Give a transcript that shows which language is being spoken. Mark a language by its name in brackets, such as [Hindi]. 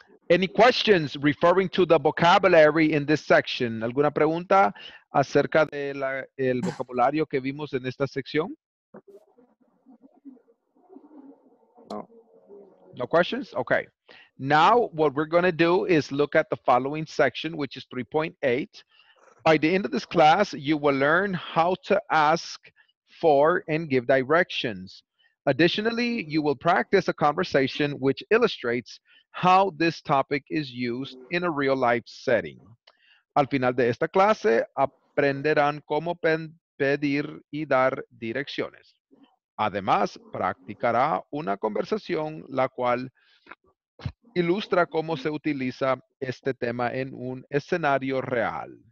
[English] Any questions referring to the vocabulary in this section? [Spanish] ¿Alguna pregunta acerca del vocabulario que vimos en esta sección? [English] No questions? Okay. Now, what we're going to do is look at the following section, which is 3.8. By the end of this class, you will learn how to ask for and give directions. Additionally, you will practice a conversation which illustrates how this topic is used in a real life setting. [Spanish] Al final de esta clase, aprenderán cómo pedir y dar direcciones. Además, practicará una conversación la cual ilustra cómo se utiliza este tema en un escenario real.